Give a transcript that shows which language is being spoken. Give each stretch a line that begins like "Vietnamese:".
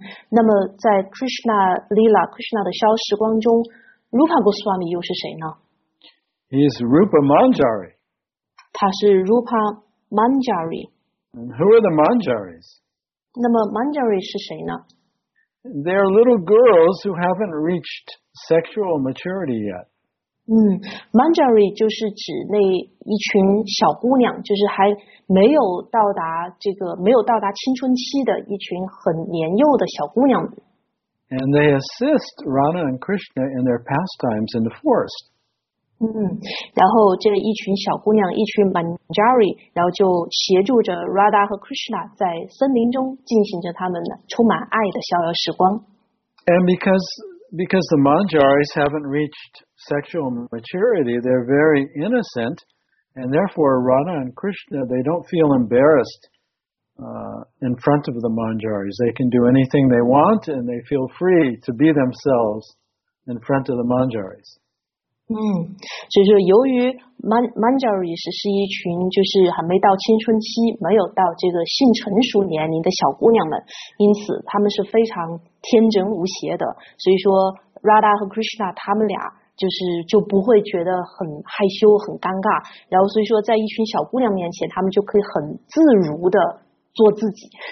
Chinese: 那么在 Krishna Lila, Krishna 的逍遥时光中 ,Rupa Goswami 又是谁呢？
English: He's Rupa Manjari.
Chinese: 他是 Rupa Manjari.
English: And who are the Manjaris?
Chinese: 那么 Manjari 是谁呢？
English: They are little girls who haven't reached sexual maturity yet.
Chinese: Manjari 就是指那一群小姑娘，就是还没有到达这个没有到达青春期的一群很年幼的小姑娘。
English: And they assist Rana and Krishna in their pastimes in the forest.
Chinese: 然后这一群小姑娘，一群 Manjari， 然后就协助着 Radha 和 Krishna 在森林中进行着他们充满爱的逍遥时光。
English: And because the Manjaris haven't reached sexual maturity, they're very innocent, and therefore Rana and Krishna, they don't feel embarrassed in front of the Manjaris. They can do anything they want, and they feel free to be themselves in front of the Manjaris.
Chinese: 所以说由于 Manjari 是一群就是还没到青春期，没有到这个性成熟年龄的小姑娘们，因此他们是非常天真无邪的，所以说 Radha 和 Krishna 他们俩就是就不会觉得很害羞很尴尬，然后所以说在一群小姑娘面前他们就可以很自如的做自己。